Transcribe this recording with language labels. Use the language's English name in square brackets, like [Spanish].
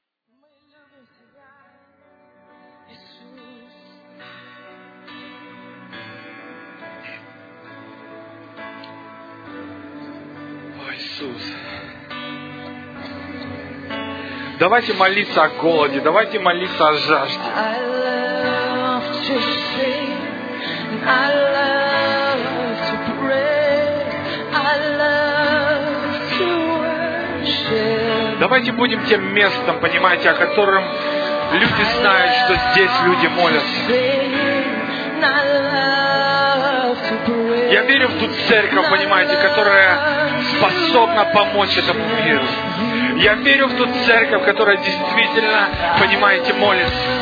[Russian] О, Иисус! Давайте молиться о голоде, давайте молиться о жажде. [English] To sing, I love to pray, I love to worship. [Russian] Давайте будем тем местом, понимаете, о котором люди знают, что здесь люди молятся. Я верю в ту церковь, понимаете, которая способна помочь этому миру. Я верю в ту церковь, которая действительно, понимаете, молится.